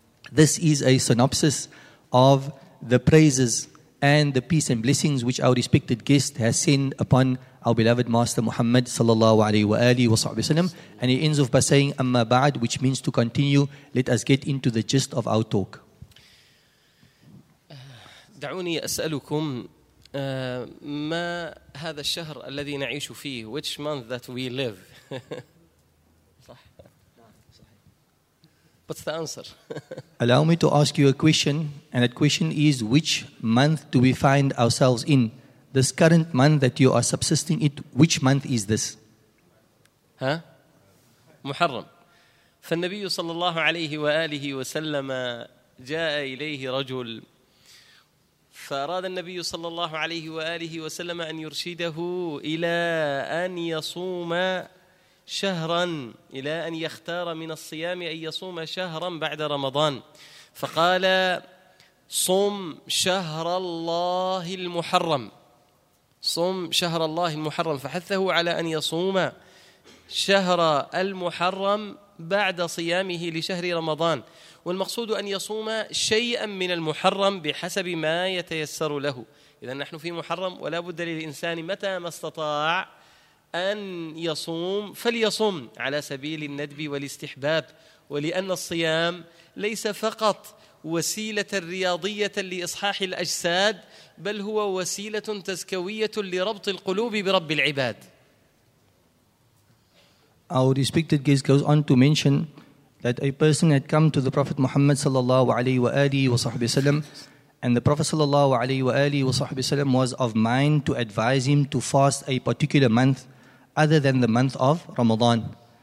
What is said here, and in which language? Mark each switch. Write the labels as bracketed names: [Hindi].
[English] This is a synopsis of the praises and the peace and blessings which our respected guest has sent upon our beloved master Muhammad sallallahu alayhi wa alihi wa sahbihi wa sallam. And he ends off by saying amma ba'd, which means to continue. Let us get into the gist of our talk. [Arabic] دعوني أسألكم ما هذا الشهر الذي نعيش فيه, [English] which month that we live. What's the answer? Allow me to ask you a question, and that question is, which month do we find ourselves in? This current month that you are subsisting it, which month is this? Huh? Muharram. [Arabic] فالنبي صلى الله عليه وآله وسلم جاء إليه رجل فأراد النبي صلى الله عليه وآله وسلم أن يرشده إلى أن يصوم شهرا, إلى أن يختار من الصيام أن يصوم شهرا بعد رمضان. فقال صم شهر الله المحرم, صم شهر الله المحرم, فحثه على أن يصوم شهر المحرم بعد صيامه لشهر رمضان. والمقصود أن يصوم شيئا من المحرم بحسب ما يتيسر له. إذن نحن في محرم, ولا بد للإنسان متى ما استطاع أن يصوم فليصوم على سبيل الندب والاستحباب، ولأن الصيام ليس فقط وسيلة رياضية لإصحاح الأجساد، بل هو وسيلة تزكوية لربط القلوب برب العباد. [English] Our respected guest goes on to mention that a person had come to the Prophet Muhammad sallallahu alayhi wa alihi wa sahbihi sallam, and the Prophet sallallahu alayhi wa alihi wa sahbihi sallam was of mind to advise him to fast a particular month other than the month of Ramadan.